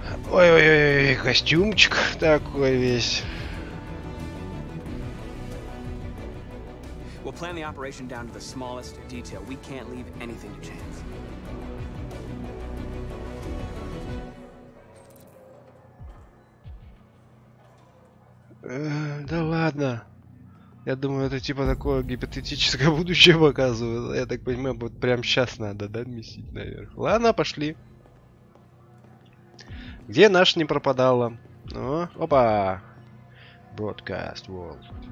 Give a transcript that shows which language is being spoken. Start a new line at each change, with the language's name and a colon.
Russian: Ой-ой-ой, костюмчик такой весь.
English: We'll plan the operation down to the smallest detail. We can't leave anything to chance.
Russian: Да ладно. Я думаю, это типа такое гипотетическое будущее показывает. Я так понимаю, вот прям сейчас надо, да, месить наверх. Ладно, пошли. Где наш не пропадала? О, опа! Broadcast World.